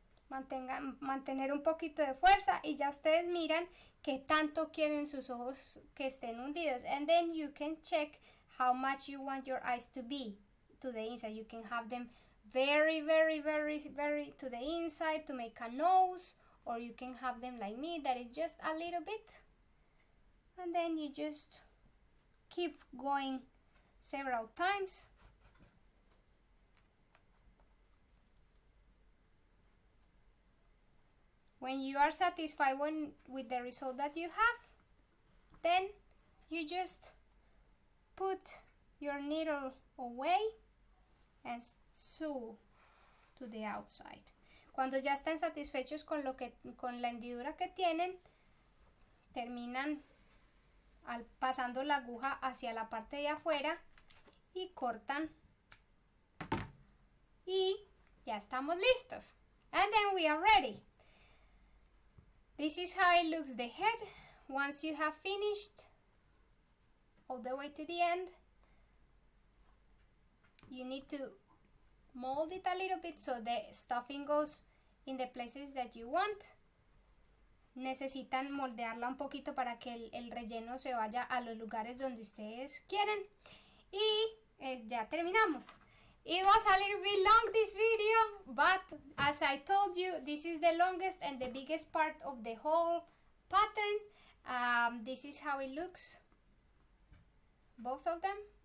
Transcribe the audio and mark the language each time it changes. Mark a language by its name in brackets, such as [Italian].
[Spanish] mantener un poquito de fuerza y ya ustedes miran qué tanto quieren sus ojos que estén hundidos. [English] And then you can check how much you want your eyes to be to the inside. You can have them very, very, very, very to the inside to make a nose, or you can have them like me, that is just a little bit. And then you just keep going several times. When you are satisfied with the result that you have, then you just put your needle away and sew to the outside. [Spanish] Cuando ya están satisfechos con la hendidura que tienen, terminan pasando la aguja hacia la parte de afuera y cortan. Y ya estamos listos. [English] And then we are ready. This is how it looks the head once you have finished all the way to the end. You need to mold it a little bit so the stuffing goes in the places that you want. [Spanish] Necesitan moldearla un poquito para que el relleno se vaya a los lugares donde ustedes quieren. Y ya terminamos. [English] It was a little bit long this video, but as I told you, this is the longest and the biggest part of the whole pattern. This is how it looks, both of them.